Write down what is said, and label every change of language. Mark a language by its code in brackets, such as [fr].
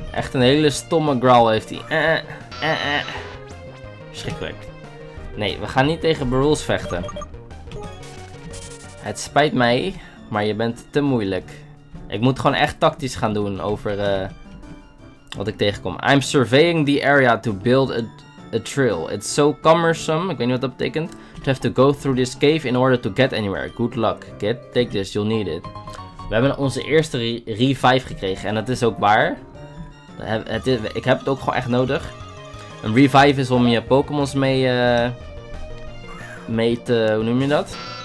[nl] Echt een hele stomme growl heeft hij. Verschrikkelijk. Nee, we gaan niet tegen Beruls vechten. Het spijt mij, maar je bent te moeilijk. Ik moet gewoon echt tactisch gaan doen over wat ik tegenkom. [en] I'm surveying the area to build a trail. It's so cumbersome. [nl] Ik weet niet wat dat betekent. [en] To have to go through this cave in order to get anywhere. Good luck, kid. Take this, you'll need it. [nl] We hebben onze eerste revive gekregen. En dat is ook waar. Ik heb het ook gewoon echt nodig. Een revive is om je Pokémon's mee te... Hoe noem je dat?